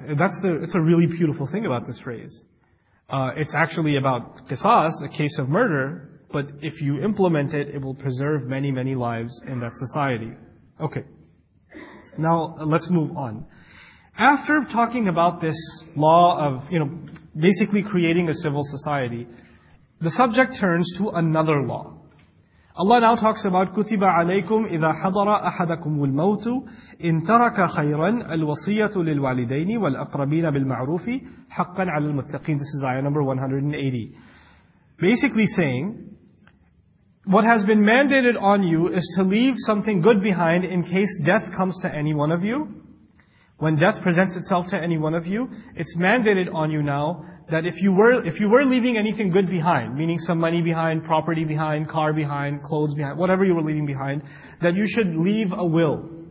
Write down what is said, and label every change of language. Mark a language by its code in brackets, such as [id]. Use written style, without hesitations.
[en] It's a really beautiful thing about this phrase. It's actually about qisas, a case of murder, but if you implement it, it will preserve many, many lives in that society. Okay. Now, let's move on. After talking about this law of, you know, basically creating a civil society, the subject turns to another law. Allah now talks about [ar] كُتِبَ عَلَيْكُمْ إِذَا حَضَرَ أَحَدَكُمُ الْمَوْتُ إِن تَرَكَ خَيْرًا الْوَصِيَّةُ لِلْوَالِدَيْنِ وَالْأَقْرَبِينَ بِالْمَعْرُوفِ حَقًّا عَلَى الْمُتَّقِينَ. [en] This is ayah number 180. Basically saying, what has been mandated on you is to leave something good behind in case death comes to any one of you. When death presents itself to any one of you, it's mandated on you now that if you were leaving anything good behind, meaning some money behind, property behind, car behind, clothes behind, whatever you were leaving behind, that you should leave a will.